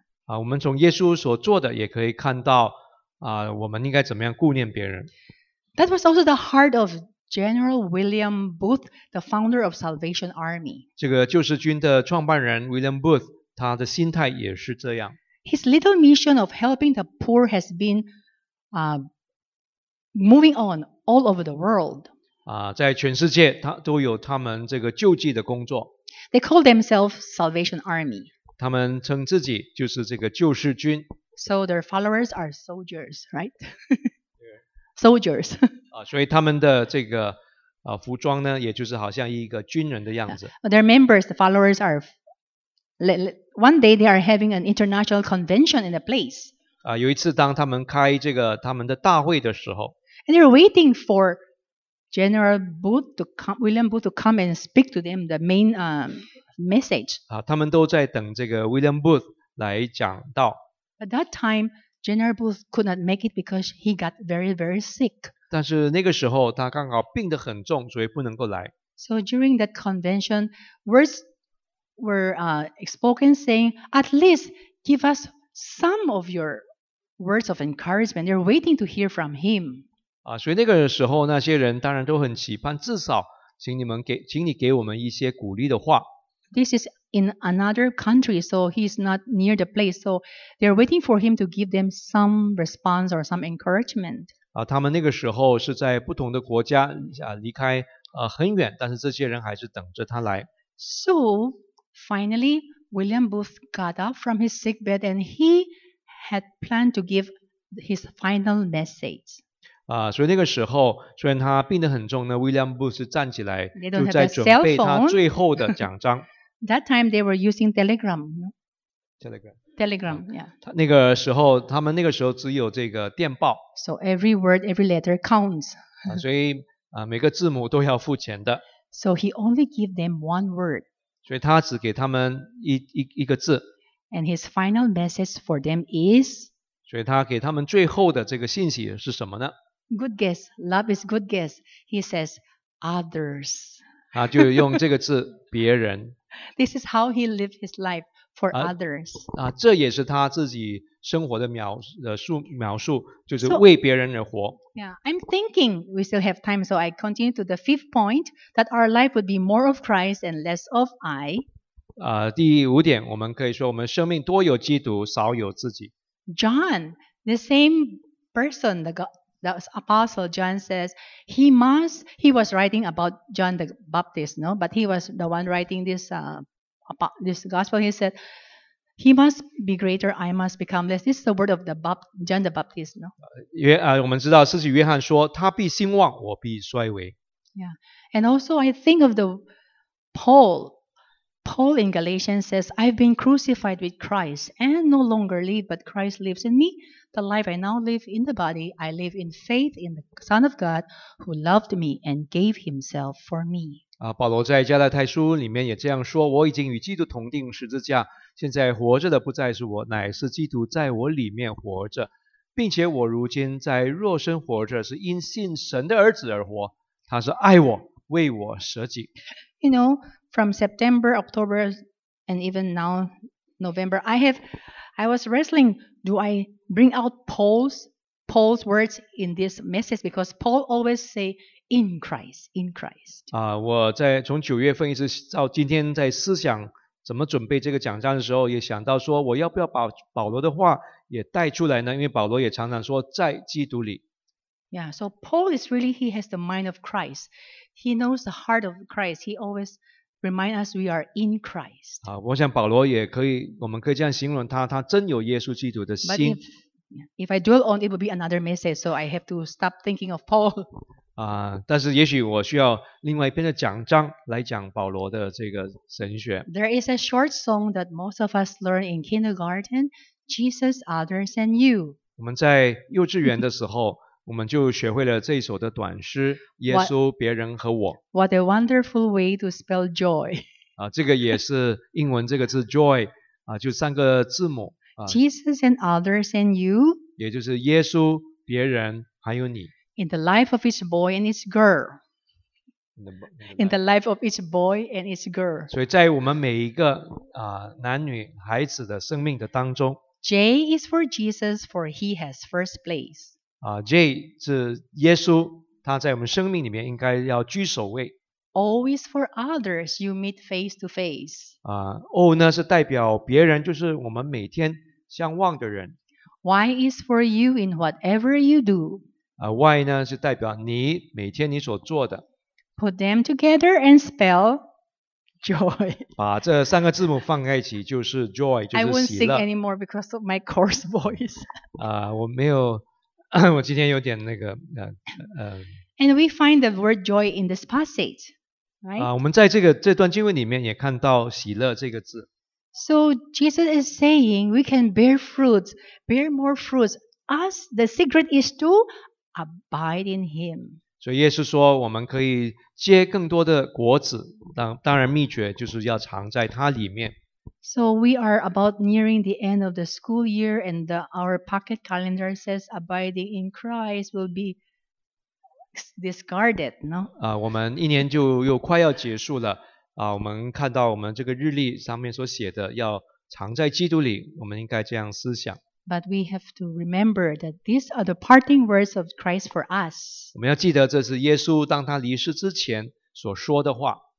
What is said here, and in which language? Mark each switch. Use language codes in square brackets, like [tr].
[zh] 我们从耶稣所做的也可以看到我们应该怎么样顾念别人。 [en] That was also the heart of General William Booth, the founder of Salvation Army. [zh] 这个救世军的创办人 William Booth, 他的心态也是这样。 [en] His little mission of helping the poor has been moving on all over the world. [zh] 在全世界他都有他们这个救济的工作。 [en] They call themselves Salvation Army. [zh] 他们称自己就是这个救世军。 [en] So their followers are soldiers, right? Soldiers. [zh] 所以他们的这个服装呢，也就是好像一个军人的样子。 [en] Their members, the followers are. One day they are having an international convention in the place. [zh] 有一次当他们开这个他们的大会的时候。 [en] And they're waiting for General Booth to come, William Booth to come and speak to them the main message. [zh] 他们都在等这个 William Booth 来讲道。 [en] At that time, General Booth could not make it because he got very, very sick. [zh] 但是那个时候他刚好病得很重，所以不能够来。 [en] So during that convention, words were spoken saying, "At least give us some of your words of encouragement." They're waiting to hear from him. [zh] 所以那个时候那些人当然都很期盼，至少请你给我们一些鼓励的话。 [en] This is in another country, so he's not near the place. So they're waiting for him to give them some response or some encouragement. [zh] 他们那个时候是在不同的国家，离开很远，但是这些人还是等着他来。 [en] So finally, William Booth got up from his sick bed and he had planned to give his final message. [zh] 所以那个时候，虽然他病得很重呢 ，William Booth 是站起来，就在准备他最后的讲章。 [en] That time they were using telegram. Telegram, yeah. [zh] 那个时候，他们那个时候只有这个电报。 [en] So every word, every letter counts. [zh] 所以每个字母都要付钱的。 [en] So he only gave them one word. [zh] 所以他只给他们一个字。 [en] And his final message for them is. [zh] 所以他给他们最后的这个信息是什么呢 [en] ？Good guess. Love is good guess. He says, others. [zh] 就用这个字，别人。 [en] This is how he lived his life for others. [zh] 这也是他自己生活的描述，就是为别人而活。 [en] So, yeah, I'm thinking we still have time, so I continue to the fifth point that our life would be more of Christ and less of I. [zh] 第五点，我们可以说我们生命多有基督，少有自己。 [en] John, the same person, the apostle John says he was writing about John the Baptist, no? But he was the one writing this gospel. He said, "He must be greater, I must become less." This is the word of John the Baptist, no? [zh] 我们知道使徒约翰说他必兴旺，我必衰微。 [en] Yeah, and also I think of the Paul. Paul in Galatians says, "I've been crucified with Christ, and no longer live, but Christ lives in me." The life I now live in the body, I live in faith in the Son of God who loved me and gave himself for me. [zh] 保罗在加拉太书里面也这样说，我已经与基督同钉十字架，现在活着的不再是我，乃是基督在我里面活着，并且我如今在肉身活着，是因信神的儿子而活，他是爱我，为我舍己。 [en] You know, from September, October, and even now, November, I was wrestling, do I bring out Paul's words in this message? Because Paul always say, in Christ, in Christ. [zh] 我在从九月份一直到今天在思想怎么准备这个讲章的时候，也想到说我要不要把保罗的话也带出来呢？因为保罗也常常说在基督里。 [en] Yeah, so Paul is really, he has the mind of Christ. He knows the heart of Christ. He always... Remind us we are in Christ. [zh] 我想保罗也可以，我们可以这样形容他，他真有耶稣基督的心。 [en] But if I dwell on it, will be another message. So I have to stop thinking of Paul. [zh] 但是也许我需要另外一篇的讲章来讲保罗的这个神学。 [en] There is a short song that most of us learn in kindergarten, "Jesus, Others, and You." [zh] 我们在幼稚园的时候我们就学会了这一首的短诗耶稣别人和我 [en] What a wonderful way to spell joy [zh] 啊，这个也是英文这个字 joy 啊，就三个字母、啊、 [en] Jesus and others and you [zh] 也就是耶稣别人还有你 [en] In the life of each boy and each girl In the life of each boy and each girl [zh] 所以在我们每一个、啊、男女孩子的生命的当中 [en] J is for Jesus for he has first place [zh] J 是耶稣他在我们生命里面应该要居首位 [en] Always for others you meet face to face [zh] O 呢是代表别人就是我们每天相望的人 [en] Y is for you in whatever you do [zh] Y 呢是代表你每天你所做的 [en] Put them together and spell joy [zh] 把这三个字母放在一起就是 joy 就是喜乐 [en] I won't sing anymore because of my coarse voice [zh] 我没有我今天有点那个 [en] And we find the word joy in this passage, right? [zh] 我们在这段经文里面也看到喜乐这个字。 [en] So Jesus is saying we can bear fruits, bear more fruits. As the secret is to abide in Him. [zh] 所以耶稣说我们可以结更多的果子，当然秘诀就是要藏在它里面。 [en] So we are about nearing the end of the school year and our pocket calendar says abiding in Christ will be discarded, no? [zh] 我们一年就又快要结束了我们看到我们这个日历上面所写的要藏在基督里我们应该这样思想 [en] But we have to remember that these are the parting words of Christ for us [zh] 我们要记得这是耶稣当他离世之前所说的话